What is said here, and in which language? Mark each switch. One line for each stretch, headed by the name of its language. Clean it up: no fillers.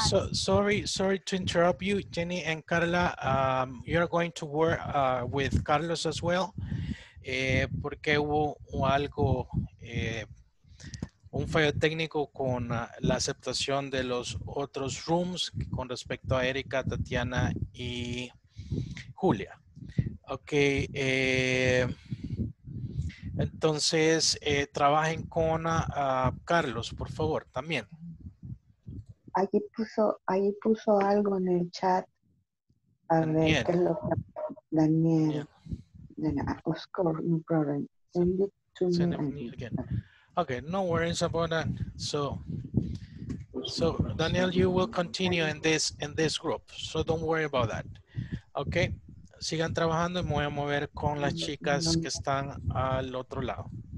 English: So sorry to interrupt you, Jenny and Carla. You're going to work with Carlos as well.
Spanish: Porque hubo algo, un fallo técnico con la aceptación de los otros rooms con respecto a Erika, Tatiana y Julia. Okay. Entonces, trabajen con Carlos, por favor, también. Allí puso algo en el chat. A Daniel.
English: Ver, Carlos, Daniel. Yeah. Oscar, no problem. Send it to Send me again. Okay, no worries about that. So Daniel, you will continue in this group. So don't worry about that. Okay.
Spanish: Sigan trabajando y me voy a mover con las chicas que están al otro lado.